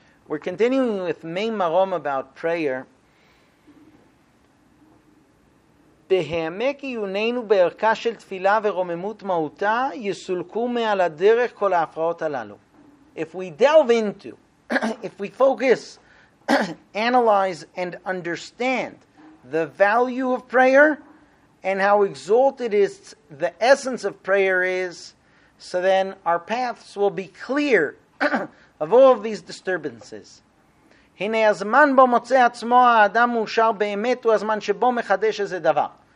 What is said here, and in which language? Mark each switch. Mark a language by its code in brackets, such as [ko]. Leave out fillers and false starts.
[en] We're continuing with Mein Marom about prayer. [he] בהעמק עיוננו בערכה של תפילה ורוממות מהותה, יסולקו מעל הדרך כל ההפרעות הללו. [en] If we delve into, if we focus, analyze and understand the value of prayer and how exalted is the essence of prayer is, so then our paths will be clear of all of these disturbances. [he] הנה הזמן בו מוצא עצמו האדם מאושר באמת הוא הזמן שבו מחדש איזה דבר.